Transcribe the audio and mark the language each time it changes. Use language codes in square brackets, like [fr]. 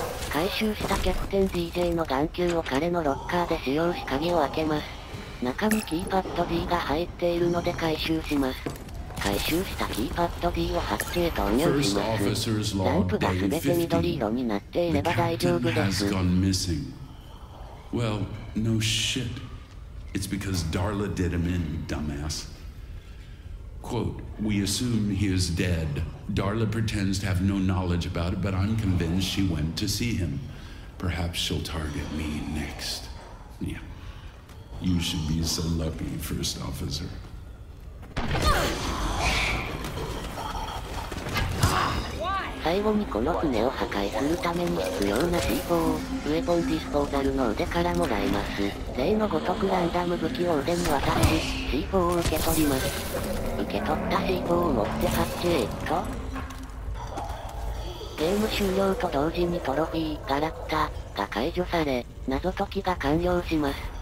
[ja] 回収したキャプテン DJ の眼球を彼のロッカーで使用し、鍵を開けます。中にキーパッド D が入っているので回収します。回収したキーパッド D をハッチへ投入します。ランプが全て緑色になっていれば大丈夫です。 [en] Well, no shit. It's because Darla did him in, dumbass. Quote, we assume he is dead. Darla pretends to have no knowledge about it, but I'm convinced she went to see him. Perhaps she'll target me next. Yeah. You should be so lucky, First Officer. [ja] 最後にこの船を破壊するために必要な C4、ウェポンディスポーザルの腕からもらいます。例のごとくランダム武器を腕に渡し、C4 を受け取ります。受け取った C4 を持ってハッチへ行くと、ゲーム終了と同時にトロフィー、ガラクタが解除され、謎解きが完了します。